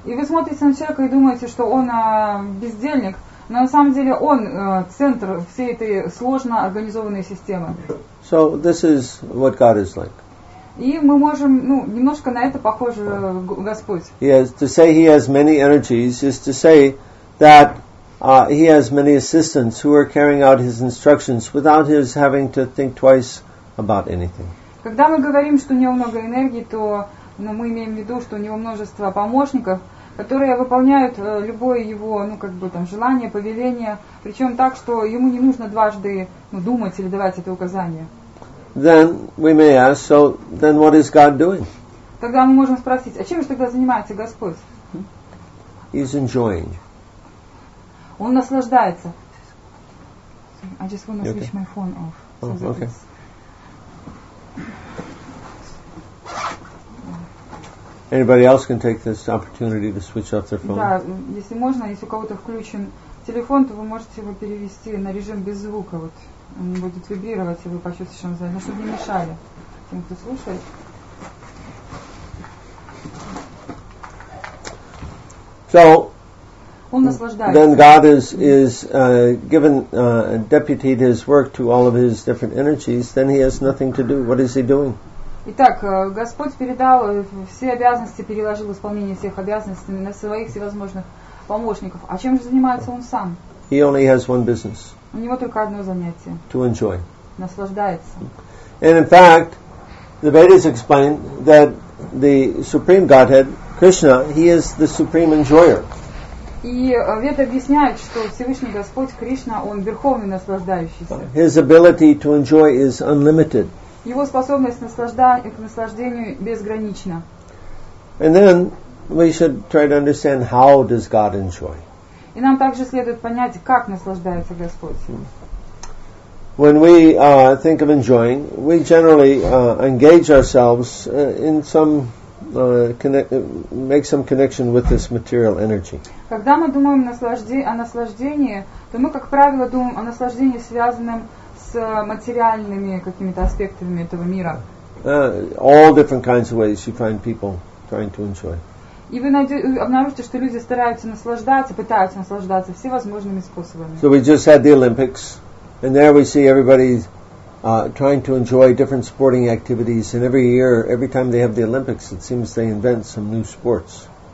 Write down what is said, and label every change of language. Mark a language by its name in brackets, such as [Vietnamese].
[Russian] И вы смотрите на человека и думаете, что он бездельник, но на самом деле он центр всей этой сложно организованной системы. [English] So this is what God is like. [Russian] И мы можем, ну, немножко на это похож Господь. [English] Yes, to say he has many energies is to say that he has many assistants who are carrying out his instructions without his having to think twice about anything. [Russian] Когда мы говорим, что у него много энергии, то мы имеем в виду, что у него множество помощников, которые выполняют любое его, ну, как бы там, желание, повеление, причем так, что ему не нужно дважды думать или давать это указание. [English] Then we may ask, so then what is God doing? [Russian] Тогда мы можем спросить, а чем же тогда занимается Господь? [English] He's enjoying. [Russian] Он наслаждается. [English] I just want to switch my phone off. So okay. Anybody else can take this opportunity to switch off their phone? [Russian] Да, если можно, если у кого-то включен телефон, то вы можете его перевести на режим без звука. Вот. Он будет вибрировать, и вы почувствуете, что он занят. Но чтобы не мешали тем, кто слушает. [English] So, [Russian] он наслаждается. [English] Then God is given, deputed his work to all of his different energies, then he has nothing to do. What is he doing? [Russian] Итак, Господь передал все обязанности, переложил исполнение всех обязанностей на своих всевозможных помощников. А чем же занимается он сам? [English] He only has one business. [Russian] У него только одно занятие. [English] To enjoy. [Russian] Наслаждается. [English] And in fact, the Vedas explain that the Supreme Godhead, Krishna, he is the supreme enjoyer. [Russian] И Веды объясняют, что Всевышний Господь Кришна, он верховный наслаждающийся. [English] His ability to enjoy is unlimited. [Russian] Его способность к наслаждению безгранична. [English] And then we should try to understand how does God enjoy. [Russian] И нам также следует понять, как наслаждается Господь. [English] When we think of enjoying, we generally engage ourselves in some make some connection with this material energy. [Russian] Когда мы думаем о наслаждении, то мы, как правило, думаем о наслаждении, связанном с материальными какими-то аспектами этого мира. [English] All different kinds of ways you find people trying to enjoy. [Russian] И вы обнаружите, что люди стараются наслаждаться, пытаются наслаждаться всевозможными способами. [English] So we just had the Olympics, and there we see everybody trying to enjoy different sporting activities, and every year, every time they have the Olympics, it seems they invent some new sports.